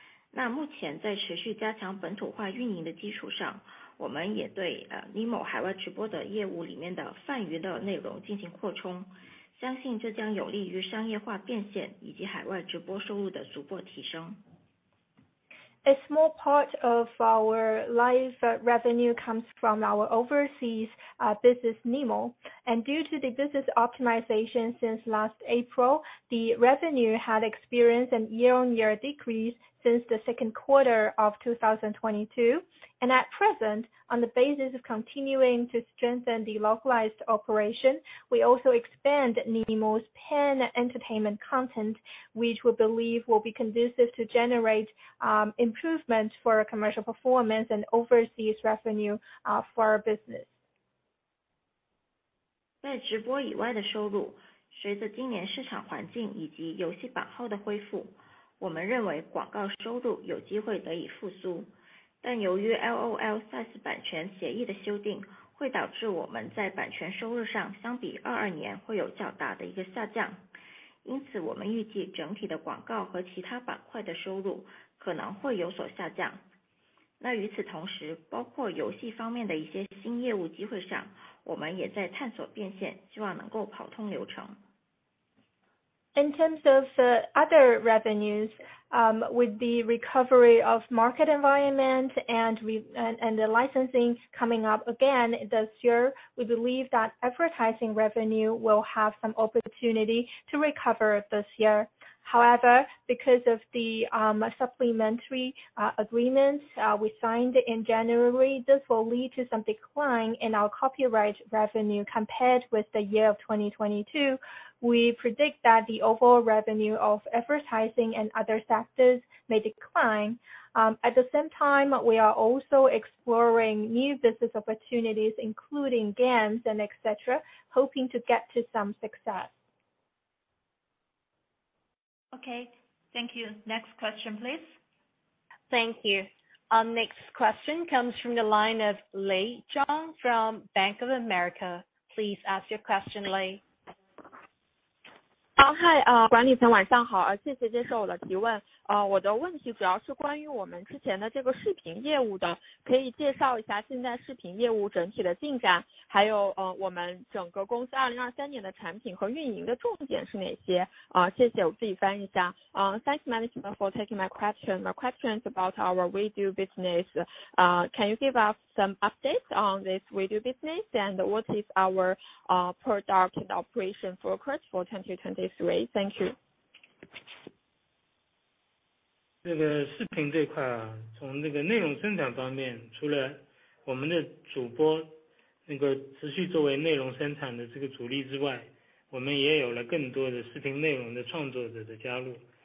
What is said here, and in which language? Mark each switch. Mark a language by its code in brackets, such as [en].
[zh] 那目前在持续加强本土化运营的基础上，我们也对Nemo 海外直播的业务里面的泛娱乐内容进行扩充，相信这将有利于商业化变现以及海外直播收入的逐步提升。 [en] A small part of our live revenue comes from our overseas business Nemo. And due to the business optimization since last April, the revenue had experienced a year-on-year decrease since the second quarter of 2022. And at present, on the basis of continuing to strengthen the localized operation, we also expand Nemo's pen entertainment content, which we believe will be conducive to generate improvement for commercial performance and overseas revenue for our business. [zh] 在直播以外的收入，随着今年市场环境以及游戏版号的恢复，我们认为广告收入有机会得以复苏，但由于 LOL SaaS 版权协议的修订，会导致我们在版权收入上相比22年会有较大的一个下降，因此我们预计整体的广告和其他板块的收入可能会有所下降。那与此同时，包括游戏方面的一些新业务机会上，我们也在探索变现，希望能够跑通流程。 [en] In terms of other revenues, with the recovery of market environment and the licensing coming up again this year, we believe that advertising revenue will have some opportunity to recover this year. However, because of the supplementary agreement we signed in January, this will lead to some decline in our copyright revenue compared with the year of 2022. We predict that the overall revenue of advertising and other sectors may decline. At the same time, we are also exploring new business opportunities, including games and etc., hoping to get to some success. Okay, thank you. Next question, please. Thank you. Our next question comes from the line of Lei Zhang from Bank of America. Please ask your question, Lei. [zh] Hi, 管理层晚上好，谢谢接受我的提问。我的问题主要是关于我们之前的这个视频业务的，可以介绍一下现在视频业务整体的进展，还有我们整个公司2023年的产品和运营的重点是哪些？谢谢，我自己翻译一下。 [en] Thanks management for taking my question. My question is about our video business. Can you give us some updates on this video business and what is our product and operation focus for 2023? Thank you. [zh] 这个视频这块啊，从这个内容生产方面，除了我们的主播那个持续作为内容生产的这个主力之外，我们也有了更多的视频内容的创作者的加入。